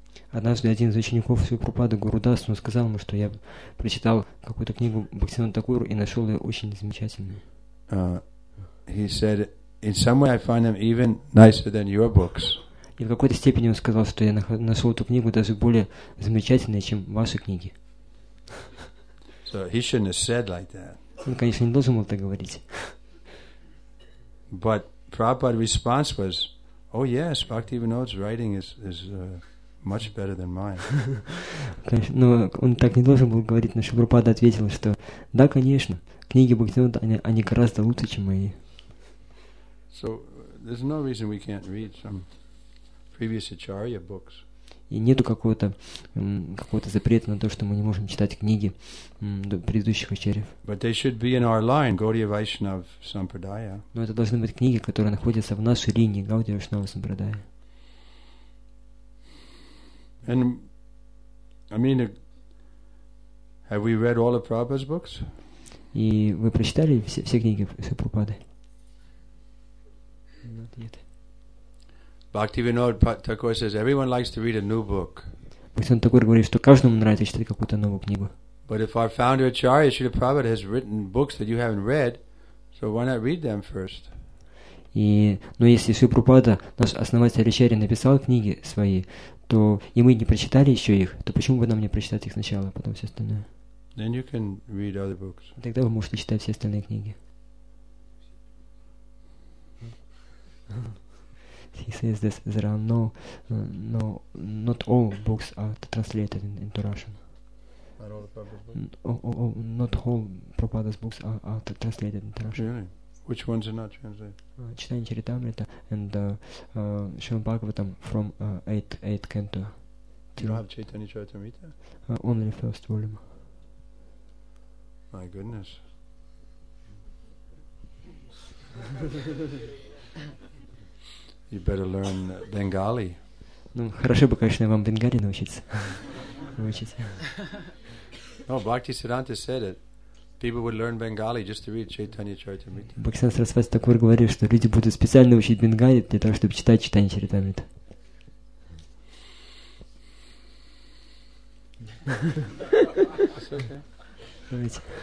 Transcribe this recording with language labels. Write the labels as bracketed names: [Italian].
[Russian] Однажды один из учеников Сри Прабхупады, Гурудас, он сказал ему, что я прочитал какую-то книгу Бхактивинода Тхакура и нашел ее очень замечательной. [English] He said, in some way I find them even nicer than your books. [Russian] И в какой-то степени он сказал, что я нашел эту книгу даже более замечательной, чем ваши книги. [English] So he shouldn't have said like that. [Russian] Он, конечно, не должен был так говорить. [English] But Prabhupada's response was, "Oh yes, Bhakti Vinod's writing is much better than mine." [Russian] Конечно, но он так не должен был говорить. Но Прабхупада ответил, что да, конечно, книги Бхакти Винода они гораздо лучше, чем мои. [English] So there's no reason we can't read some previous Acharya books. [Russian] И нету какого-то запрета на то, что мы не можем читать книги предыдущих ачарьев. [English] But they should be in our line, Gaudiya Vaishnav Sampradaya. [Russian] Но это должны быть книги, которые находятся в нашей линии, Gaudiya Vaishnava Sampradaya. [English] And I mean, have we read all the Prabhupada's books? [Russian] И вы прочитали все книги Прабхупады? [English] Not yet. Bhaktivinoda Thakur says everyone likes to read a new book. [Russian] Бхактивинода Тхакура говорит, что каждому нравится читать какую-то новую книгу. [English] But if our founder Acharya Srila Prabhupada has written books that you haven't read, so why not read them first? [Russian] И, но если Шри Прабхупада, наш основатель Ачарья, написал книги свои, то и мы не прочитали еще их, то почему бы нам не прочитать их сначала, а потом все остальное? [English] Then you can read other books. [Russian] Тогда вы можете читать все остальные книги. [English] He says this, there are no, not all books are translated into Russian. Not all Prabhupada's books are translated into Russian. Really? Which ones are not translated? Chaitanya Charitamrita and Srimad Bhagavatam from 8th canto. Do you have Chaitanya Charitamrita? Only first volume. My goodness. You better learn Bengali. [Russian] Ну, хорошо бы, конечно, вам Бенгали научиться. [English] No, Bhakti Siddhanta said it. People would learn Bengali just to read Chaitanya Charitamrita. [Russian] Бхакти Сарасвати Такур говорил, что люди будут специально учить Бенгали для того, чтобы читать Чайтанья Чаритамриту. Давайте.